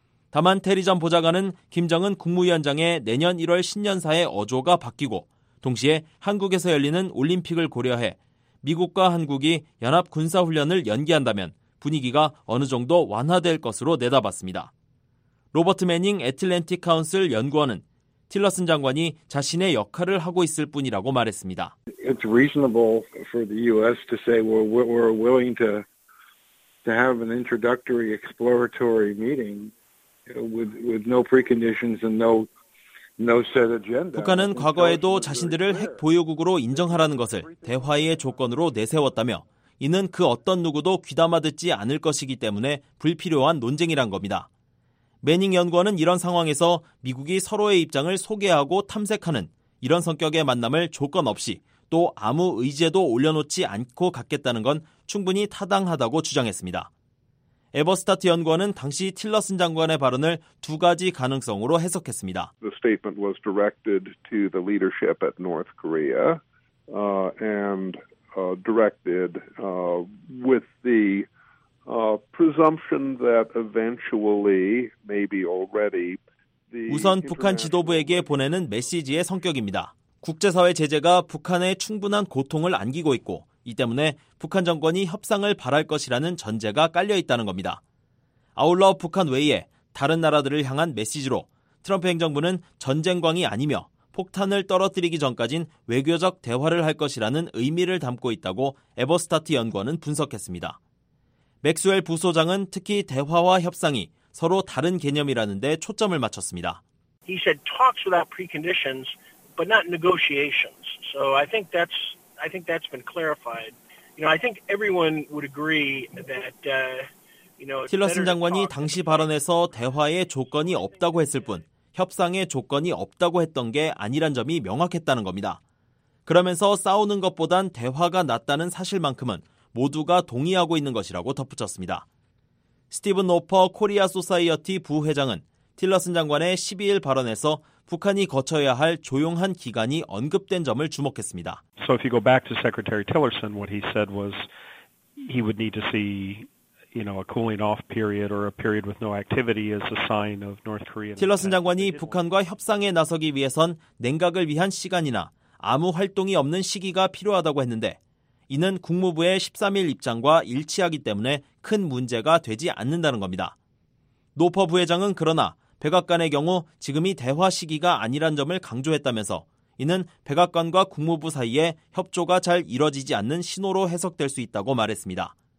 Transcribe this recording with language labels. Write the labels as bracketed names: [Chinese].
[Korean] 다만 테리 전 보좌관은 김정은 국무위원장의 내년 1월 신년사의 어조가 바뀌고 동시에 한국에서 열리는 올림픽을 고려해 미국과 한국이 연합군사훈련을 연기한다면 분위기가 어느 정도 완화될 것으로 내다봤습니다. 로버트 매닝 애틀랜틱 카운슬 연구원은 틸러슨 장관이 자신의 역할을 하고 있을 뿐이라고 말했습니다. [English] It's reasonable for the U.S. to say we're willing to have an introductory exploratory meeting with no preconditions and no set agenda. [Korean] 북한은 과거에도 자신들을 핵 보유국으로 인정하라는 것을 대화의 조건으로 내세웠다며 이는 그 어떤 누구도 귀담아 듣지 않을 것이기 때문에 불필요한 논쟁이란 겁니다. 매닝 연구원은 이런 상황에서 미국이 서로의 입장을 소개하고 탐색하는 이런 성격의 만남을 조건 없이 또 아무 의제도 올려놓지 않고 갖겠다는 건 충분히 타당하다고 주장했습니다. 에버스타트 연구원은 당시 틸러슨 장관의 발언을 두 가지 가능성으로 해석했습니다. [English] The statement was directed to the leadership at North Korea and directed with the presumption that eventually, maybe already, [Korean] 우선 북한 지도부에게 보내는 메시지의 성격입니다. 국제사회 제재가 북한에 충분한 고통을 안기고 있고 이 때문에 북한 정권이 협상을 바랄 것이라는 전제가 깔려 있다는 겁니다. 아울러 북한 외에 다른 나라들을 향한 메시지로 트럼프 행정부는 전쟁광이 아니며 폭탄을 떨어뜨리기 전까지는 외교적 대화를 할 것이라는 의미를 담고 있다고 에버스타트 연구원은 분석했습니다. 맥스웰 부소장은 특히 대화와 협상이 서로 다른 개념이라는 데 초점을 맞췄습니다. [English] He said talks without preconditions, but not negotiations. So I think that's been clarified. You know, I think everyone would agree that you know. [Korean] 틸러슨 장관이 당시 발언에서 대화의 조건이 없다고 했을 뿐 협상의 조건이 없다고 했던 게 아니란 점이 명확했다는 겁니다. 그러면서 싸우는 것보단 대화가 낫다는 사실만큼은 모두가 동의하고 있는 것이라고 덧붙였습니다. 스티븐 노퍼 코리아 소사이어티 부회장은 틸러슨 장관의 12일 발언에서 북한이 거쳐야 할 조용한 기간이 언급된 점을 주목했습니다. [English] So if you go back to Secretary Tillerson, what he said was he would need to see, you know, a cooling off period or a period with no activity as a sign of North Korea. [Korean] 틸러슨 장관이 북한과 협상에 나서기 위해선 냉각을 위한 시간이나 아무 활동이 없는 시기가 필요하다고 했는데 이는 국무부의 13일 입장과 일치하기 때문에 큰 문제가 되지 않는다는 겁니다. 노퍼 부회장은 그러나 백악관의 경우 지금이 대화 시기가 아니란 점을 강조했다면서 이는 백악관과 국무부 사이에 협조가 잘 이뤄지지 않는 신호로 해석될 수 있다고 말했습니다.